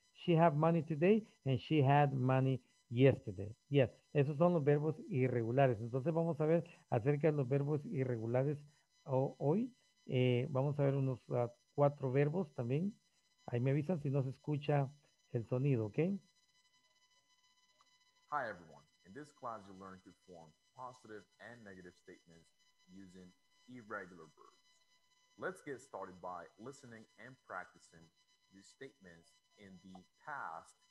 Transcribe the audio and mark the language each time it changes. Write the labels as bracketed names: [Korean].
[English] She have money today and she had money yesterday. Yes, [Spanish] esos son los verbos irregulares. Entonces vamos a ver acerca de los verbos irregulares hoy. Vamos a ver unos cuatro verbos también. Ahí me avisan si no se escucha el sonido, ¿ok? [English] Hi everyone. In this class you learn to form positive and negative statements using irregular verbs. Let's get started by listening and practicing the statements in the past